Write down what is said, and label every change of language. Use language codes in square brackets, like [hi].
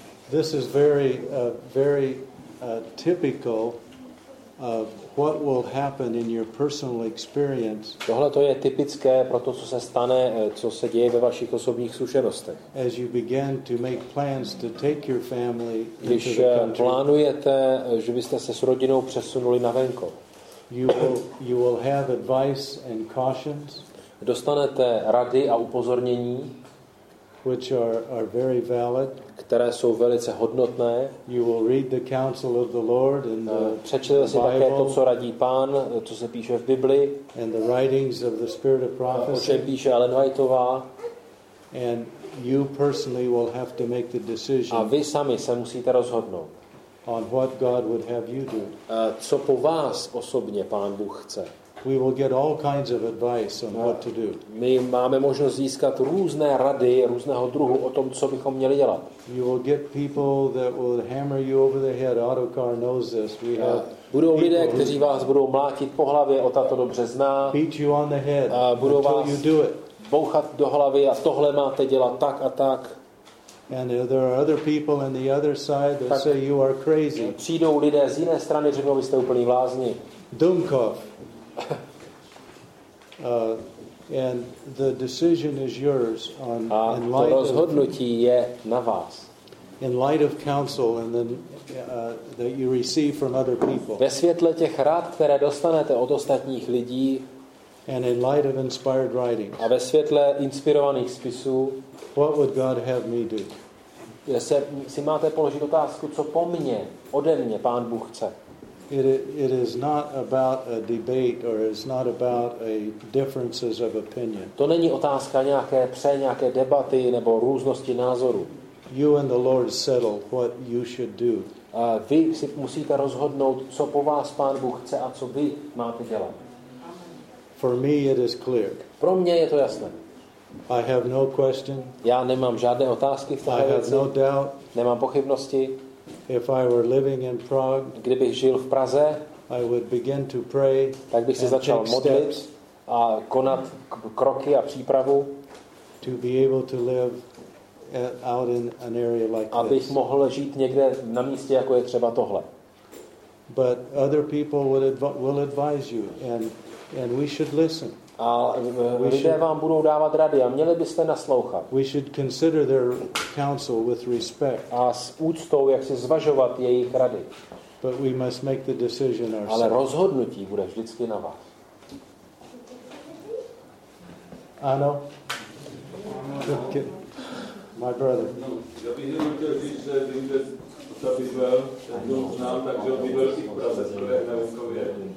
[en] This is very, very typical of what will happen in your personal experience. [cs] Tohle to je typické pro to, co se stane, co se děje ve vašich osobních zkušenostech. [en] As you begin to make plans to take your family into the country. [cs] Když plánujete, že byste se s rodinou přesunuli na venkov. [en] You will have advice and cautions. [cs] Dostanete rady a upozornění. [en] which are very valid. [cs] Které jsou velice hodnotné. [en] You will read the counsel of the Lord in the [cs] přečtete si také to, co radí Pán, co se píše v Bibli. [en] And the writings of the Spirit of Prophecy. [cs] O čem píše Ellen Whiteová. [en] And you personally will have to make the decision. [cs] A vy sami se musíte rozhodnout. [en] On what God would have you do. [cs] Co po vás osobně Pán Bůh chce. [en] We will get all kinds of advice on what to do. [cs] My máme možnost získat různé rady různého druhu o tom, co bychom měli dělat. [en] You will get people that will hammer you over the head. Autocar knows this. We have [cs] budou lidé, kteří vás budou mlátit po hlavě, o tato dobře zná. [en] Beat you on the head. [cs] A budou vás bouchat do hlavy a tohle máte dělat tak a tak. [en] And there are other people on the other side that say you are crazy. [cs] Přijdou lidé z jiné strany, řeknou, vy jste úplný blázni. Dumkov. [en] And the decision is yours on in light of [cs] rozhodnutí je na vás. [en] In light of counsel and then that you receive from other people. [cs] Ve světle těch rad, které dostanete od ostatních lidí. [en] And in light of inspired writings. [cs] A ve světle inspirovaných spisů. [en] What would God have me do? [cs] Si máte položit otázku, co po mně, ode mě Pán Bůh chce. [en] It is not about a debate or it's not about a differences of opinion. [cs] To není otázka nějaké debaty nebo různosti názoru. [en] You and the Lord settle what you should do. [cs] A vy si musíte rozhodnout, co po vás Pán Bůh chce a co vy máte dělat. [en] For me it is clear. [cs] Pro mě je to jasné. [en] I have no question. [cs] Já nemám žádné otázky v této věci. [en] I have no doubt. [cs] Nemám pochybnosti. [en] If I were living in Prague, [cs] kdybych žil v Praze, [en] I would begin to pray, [cs] tak bych se začal modlit a konat kroky a přípravu, [en] to be able to live out in an area like this. [cs] Abych mohl žít někde na místě, jako je třeba tohle. [en] But other people will advise you, and we should listen. [cs] A lidé vám budou dávat rady a měli byste naslouchat. [en] We should consider their counsel with respect. [cs] A s úctou, jak si zvažovat jejich rady. [en] But we must make the decision ourselves. [cs] Ale rozhodnutí bude vždycky na vás. Ano. [en] My brother. [cs] Já bych jenom chtěl říct, že vím, že ta Bible, ten dům znám, takže on byl velký Praze, to je na venkově.